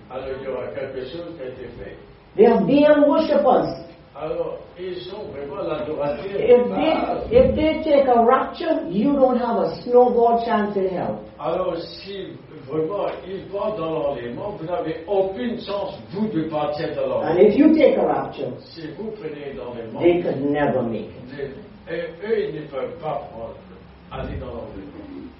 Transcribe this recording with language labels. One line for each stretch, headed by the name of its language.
French: Alors, il y aura quelque chose qui a été fait.
English: They are being worshippers.
French: Alors, ils sont vraiment l'adorateur.
English: If they take a rapture, you don't have a snowball chance in hell.
French: Alors, si vraiment ils vont dans l'enlèvement, vous n'avez aucune chance, vous, de partir de l'enlèvement.
English: And if you take a rapture,
French: si vous prenez dans l'enlèvement,
English: they could never make it.
French: Eux, ils ne peuvent pas aller dans l'enlèvement.